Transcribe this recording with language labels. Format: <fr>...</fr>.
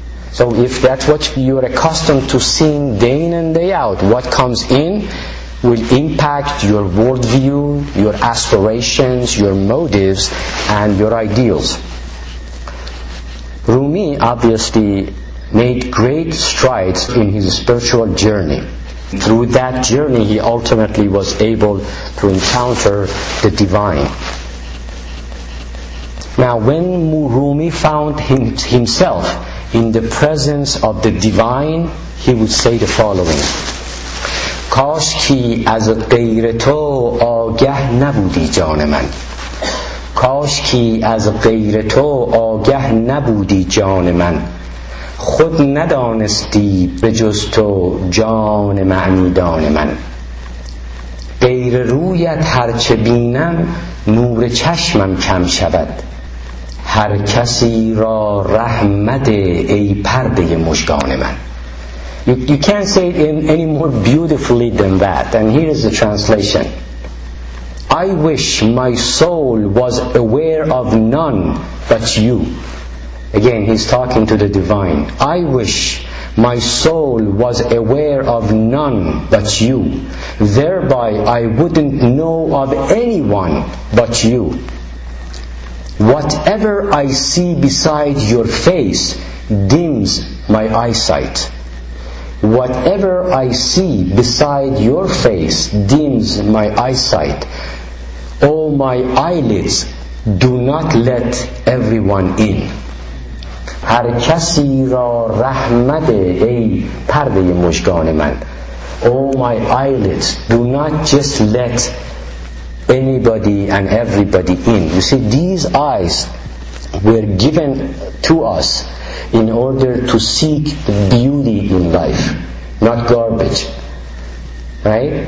<en>So if that's what you're accustomed to seeing day in and day out, what comes in will impact your worldview, your aspirations, your motives, and your ideals. Rumi obviously made great strides in his spiritual journey. Through that journey, he ultimately was able to encounter the divine. Now, when Rumi found himself in the presence of the divine, he would say the following:</en> <fa>کاش کی از غیر تو آگه نبودی جان من کاش کی از غیر تو آگه نبودی جان من خود ندانستی به جز تو جان معنی دان من غیر رویت هرچه بینم نور چشمم کم شود هر کسی را رحمت ای پرده مژگان من.</fa> <en>You can't say it in any more beautifully than that. And here is the translation. I wish my soul was aware of none but you. Again, he's talking to the divine. I wish my soul was aware of none but you. Thereby, I wouldn't know of anyone but you. Whatever I see beside your face dims my eyesight. Whatever I see beside your face dims my eyesight. Oh, my eyelids, do not let everyone in.</en> <fa>هر کسی را رحمت ای پرده مژگان من.</fa> <en>Oh, my eyelids, do not just let anybody and everybody in. You see, these eyes were given to us in order to seek beauty in life, not garbage. Right?</en>